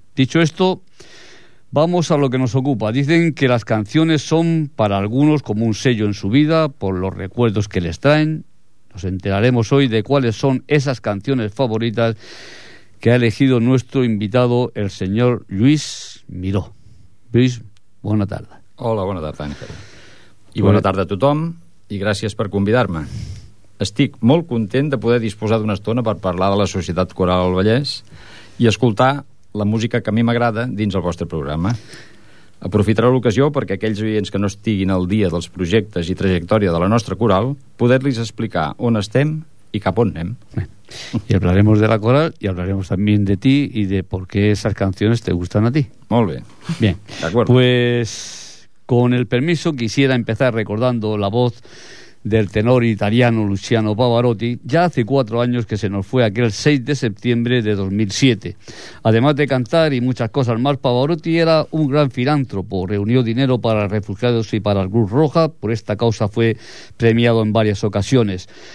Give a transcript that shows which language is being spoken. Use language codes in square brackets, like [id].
[es] Dicho esto, vamos a lo que nos ocupa. Dicen que las canciones son para algunos como un sello en su vida por los recuerdos que les traen. Nos enteraremos hoy de cuáles son esas canciones favoritas que ha elegido nuestro invitado, el señor Lluís Miró. Lluís, buena tarde. Hola, buena tarde, Ángel. [ca] I bona tarda a tothom i gràcies per convidar-me. Estic molt content de poder disposar d'una estona per parlar de la Societat Coral del Vallès i escoltar la música que a mi m'agrada dins el vostre programa. Aprofitaré l'ocasió perquè aquells oients que no estiguin al dia dels projectes i trajectòria de la nostra coral, poder-los explicar on estem i cap on anem. I hablarem de la coral i hablarem també de ti i de per què aquestes cançons [es] te gusten a ti. [ca] Molt bé. [es] Bé, pues con el permiso quisiera empezar recordando la voz del tenor italiano Luciano Pavarotti, ya hace 4 años que se nos fue aquel 6 de septiembre de 2007. Además de cantar y muchas cosas más, Pavarotti era un gran filántropo, reunió dinero para refugiados y para la Cruz Roja, por esta causa fue premiado en varias ocasiones.